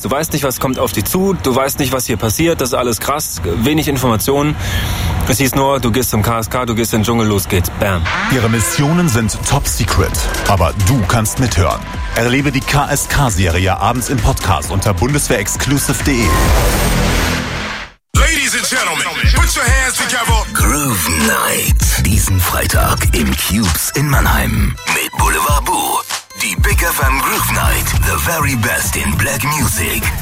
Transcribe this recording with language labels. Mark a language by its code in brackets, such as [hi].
[de] Du weißt nicht, was kommt auf dich zu. Du weißt nicht, was hier passiert. Das ist alles krass. Wenig Informationen. Es hieß nur, du gehst zum KSK, du gehst in den Dschungel, los geht's. Bam. Ihre Missionen sind top secret. Aber du kannst mithören. Erlebe die KSK-Serie abends im Podcast unter bundeswehrexclusive.de. [en] Ladies and Gentlemen, put your hands together. Groove Night. [de] Diesen Freitag im Cubes in Mannheim. Mit Boulevard Boo. Die Big FM Groove Night, [en] the very best in Black Music.